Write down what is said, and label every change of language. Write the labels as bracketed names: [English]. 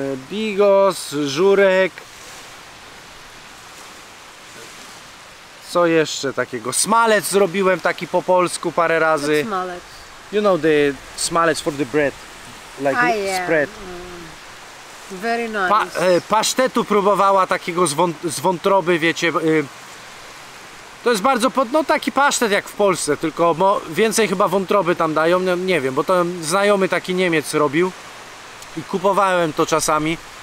[Polish] Bigos, żurek. Co jeszcze takiego? Smalec zrobiłem taki po polsku parę razy. [English] What's smalec? You know the smalec for the bread. Like spread. Very nice. [Polish] Pasztetu próbowała takiego z wątroby, wiecie. To jest bardzo, no taki pasztet jak w Polsce, tylko więcej chyba wątroby tam dają, nie wiem, bo to znajomy taki Niemiec robił i kupowałem to czasami.